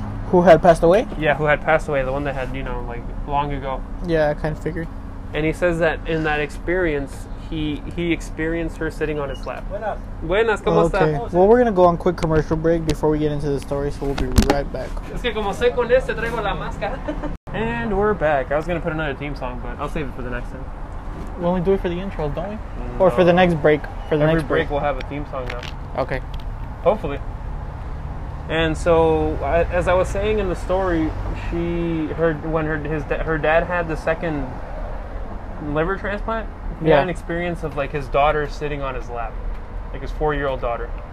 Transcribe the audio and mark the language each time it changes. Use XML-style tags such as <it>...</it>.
<en>Who had passed away? Yeah, who had passed away. The one that had, you know, like, long ago. Yeah, I kind of figured. And he says that in that experience, he experienced her sitting on his lap.</en> <es>Buenas. Buenas, ¿cómo estás?</es> <en>Well, we're going to go on quick commercial break before we get into the story, so we'll be right back.</en> <es>Es que como sé con este, traigo la máscara.</es> <en>And we're back. I was going to put another theme song, but I'll save it for the next time. We only do it for the intro, don't we? No. Or for the next break. For the every next break, we'll have a theme song now. Okay. Hopefully. And so, as I was saying in the story, she heard when her dad had the second liver transplant, he had an experience of like his daughter sitting on his lap, like his 4-year-old daughter.</en>